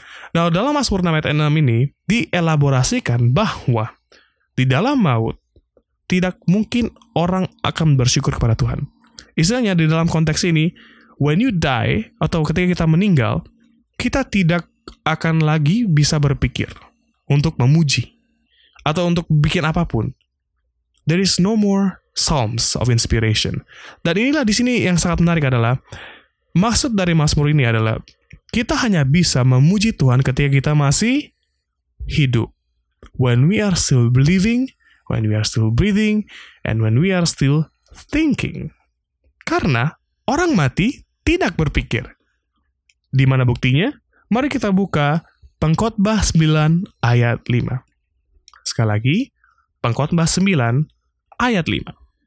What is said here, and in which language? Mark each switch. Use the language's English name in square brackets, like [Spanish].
[Indonesian] Nah, dalam Mazmur 6 ayat 6 ini, dielaborasikan bahwa di dalam maut, tidak mungkin orang akan bersyukur kepada Tuhan. Istilahnya, di dalam konteks ini, [English] when you die, [Indonesian] atau ketika kita meninggal, kita tidak akan lagi bisa berpikir untuk memuji, atau untuk bikin apapun. [English] There is no more psalms of inspiration. [Indonesian] Dan inilah di sini yang sangat menarik adalah, maksud dari Mazmur ini adalah, kita hanya bisa memuji Tuhan ketika kita masih hidup. [English] When we are still believing, when we are still breathing, and when we are still thinking. [Indonesian] Karena orang mati tidak berpikir. Di mana buktinya? Mari kita buka Pengkhotbah 9 ayat 5. Sekali lagi, Pengkhotbah 9 ayat 5.